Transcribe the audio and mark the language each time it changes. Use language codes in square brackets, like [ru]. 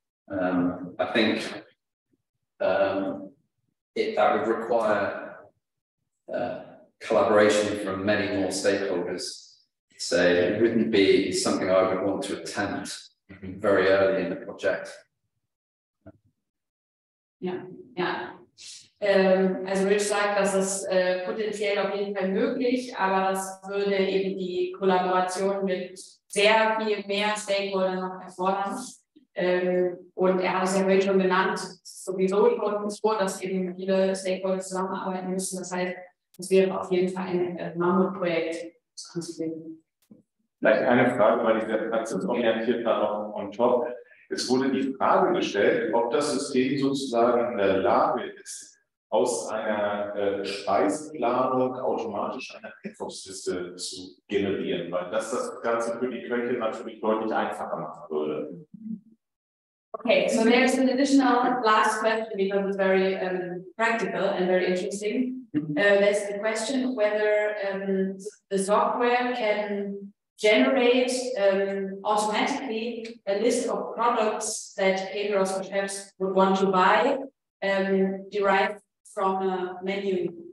[en] I think that would require collaboration from many more stakeholders. So it wouldn't be something I would want to attempt very early in the project. [de] Ja. Also Rich sagt, dass es potenziell auf jeden Fall möglich, aber das würde eben die Kollaboration mit sehr viel mehr Stakeholdern noch erfordern. Und er hat es ja vorhin schon genannt, sowieso schon vor, dass eben viele Stakeholder zusammenarbeiten müssen. Das heißt, es wäre auf jeden Fall ein Mammutprojekt zu konzipieren. Vielleicht eine Frage, weil ich der Praxisorientiert da noch on top. Es wurde die Frage gestellt, ob das System sozusagen in der Lage ist, aus einer Speiseplanung automatisch eine Einkaufsliste zu generieren, weil das Ganze für die Köche natürlich deutlich einfacher machen würde. [en] Okay, so there's an additional last question because it's very practical and very interesting. There's the question whether the software can generate automatically a list of products that caterers or chefs would want to buy, derived from a menu.